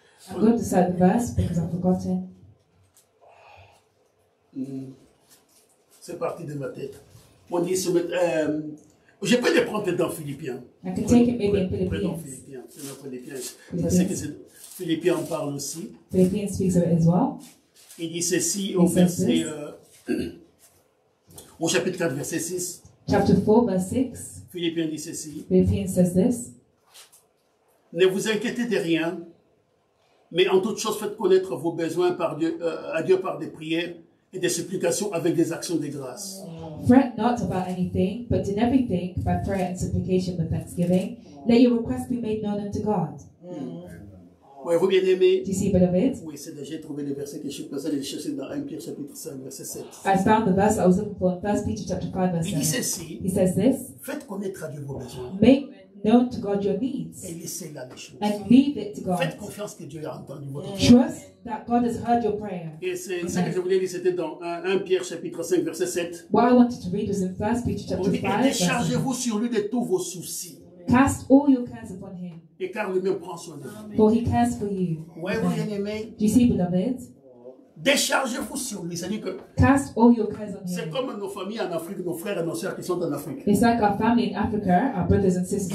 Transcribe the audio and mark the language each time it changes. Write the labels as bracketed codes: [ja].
[en] I'm going to say the verse because I've forgotten. [fr] C'est parti de ma tête. On dit, je peux les prendre dans Philippiens. [en] I can take it maybe in Philippians. [fr] Dans Philippiens. C'est dans Philippiens. Je sais que c'est. Philippiens en parle aussi. [en] Philippiens speaks of it as well. [fr] Il dit ceci au verset. Au chapitre 4, verset 6. [en] Chapter 4, verse 6. [fr] Philippiens dit ceci. [en] Philippiens says this. [fr] Ne vous inquiétez de rien, mais en toute chose faites connaître vos besoins par Dieu, à Dieu par des prières et des supplications avec des actions de grâce. [en] Fret not about anything, but in everything, by prayer and supplication with thanksgiving, let your requests be made known unto God. [fr] Oui, vous bien aimé. [en] Do you see, beloved? [fr] Oui, c'est déjà trouvé le verset que je suis passé à chercher dans 1 Pierre chapitre 5, verset 7. [en] I found the verse I was looking for in 1 Peter chapter 5, verse 7. [fr] Il dit ceci. [en] He says this. [fr] Faites connaître à Dieu vos besoins. [en] Make known to God your needs. [fr] Et laissez là les choses. [en] And leave it to God. [fr] Faites confiance que Dieu a entendu votre prière. [en] Trust that God has heard your prayer. [fr] Et c'est ce que je voulais lire, c'était dans 1 Pierre chapitre 5, verset 7. [en] What I wanted to read was in 1 Peter chapter 5, verse 7. [fr] Et déchargez-vous sur lui de tous vos soucis. [en] Cast all your cares upon him. [fr] Et car lui-même prend soin de vous. [en] For he cares for you. [fr] Ouais, vous bien aimé. [en] Do you see, beloved? [fr] Déchargez-vous sur lui. C'est-à-dire que. [en] Cast all your cares on him. [fr] C'est comme nos familles en Afrique, nos frères et nos sœurs qui sont en Afrique. [en] It's like our family in Africa, our brothers and sisters.